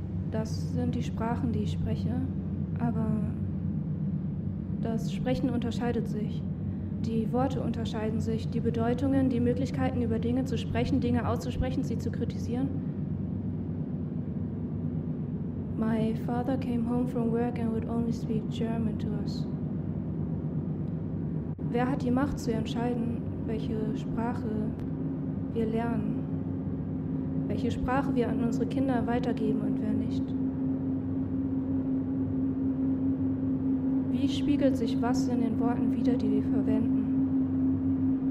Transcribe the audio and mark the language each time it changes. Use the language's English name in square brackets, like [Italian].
[German] Das sind die Sprachen, die ich spreche, aber das Sprechen unterscheidet sich. Die Worte unterscheiden sich, die Bedeutungen, die Möglichkeiten, über Dinge zu sprechen, Dinge auszusprechen, sie zu kritisieren. [English] My father came home from work and would only speak German to us. [German] Wer hat die Macht zu entscheiden, welche Sprache wir lernen? Welche Sprache wir an unsere Kinder weitergeben und wer nicht? Wie spiegelt sich was in den Worten wider, die wir verwenden?